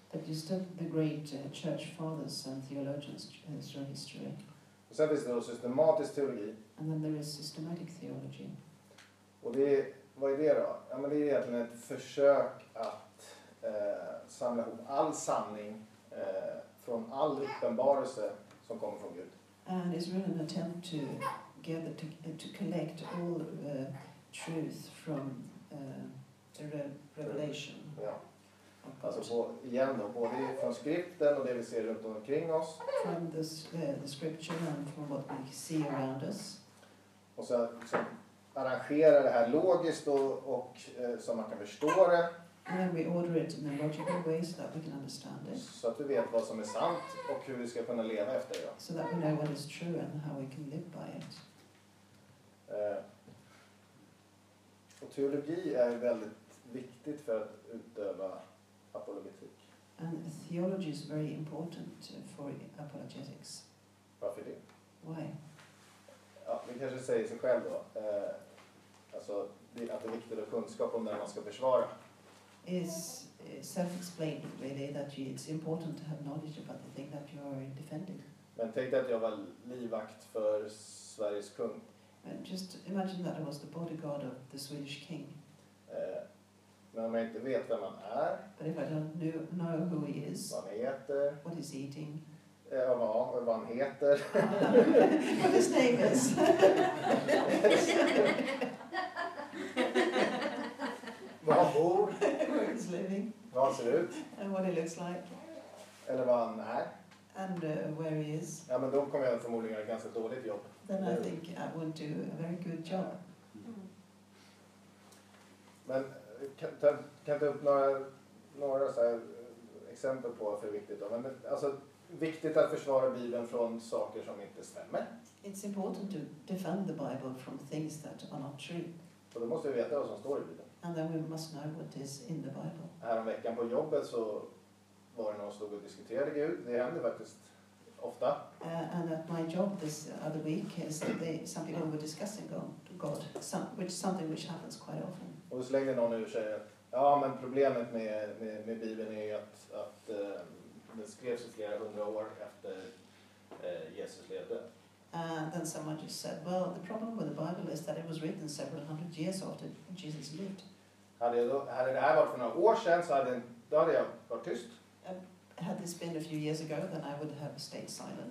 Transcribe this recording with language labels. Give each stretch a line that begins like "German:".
English: That you study the great church fathers and theologians through history.
Swedish: Och sen finns det då systematisk teologi.
English: And then there is systematic theology.
Swedish: Och det är, vad är det då? Ja, men det är egentligen ett försök att samla ihop all sanning från all uppenbarelse som kommer från Gud.
English: And it's really an attempt to gather to collect all truth from the revelation.
Swedish: Ja. Alltså på, igen då, både från skriften och det vi ser runt omkring oss.
English: From the scripture and from what we see around us.
Swedish: Och så liksom arrangera det här logiskt och så man kan förstå det.
English: And then we order it in a logical way so that we can understand it.
Swedish: Så att vi vet vad som är sant och hur vi ska kunna leva efter det.
English: So that we know what is true and how we can live by it.
Swedish: Och teologi är väldigt viktigt för att utöva apologetik.
English: And theology is very important for apologetics.
Swedish: Varför det?
English: Why?
Swedish: Ja, vi kanske säger sig själv då. Alltså att det är viktigt att ha kunskap om när man ska försvara.
English: Is self-explained really that it's important to have knowledge about the thing that you are defending.
Swedish: Men tänk dig att jag var livvakt för Sveriges kung.
English: And just imagine that I was the bodyguard of the Swedish king.
Swedish: Men om jag inte vet vem han är.
English: But if I don't know who he is.
Swedish: Vad han heter.
English: What he's eating.
Swedish: Vad han heter.
English: What his name is.
Swedish: Vad han bor.
English: Where he's living.
Swedish: Vad han ser ut.
English: And what he looks like.
Swedish: Eller vad han är.
English: And where he is.
Swedish: Ja, men då kommer jag förmodligen göra ett ganska dåligt jobb.
English: Then I think I would do a very good job.
Swedish: Men kan du upp några så här exempel på varför det är viktigt då? Men alltså viktigt att försvara Bibeln från saker som inte stämmer.
English: It's important to defend the Bible from things that are not true.
Swedish: Och då måste vi veta vad som står i Bibeln.
English: And then we must know what is in the Bible.
Swedish: Härom veckan på jobbet så var det någon som stod och diskuterade Gud. Det händer faktiskt ofta.
English: And at my job this other week is that some people were discussing God, which is something which happens quite often.
Swedish: Och så slängde någon ur sig att ja, men problemet med Bibeln är ju att den skrevs flera hundra år efter Jesus levde.
English: And then someone just said, well, the problem with the Bible is that it was written several hundred years after Jesus lived.
Swedish: Hade det här varit för några år sedan så hade jag varit tyst.
English: Had this been a few years ago, then I would have stayed silent.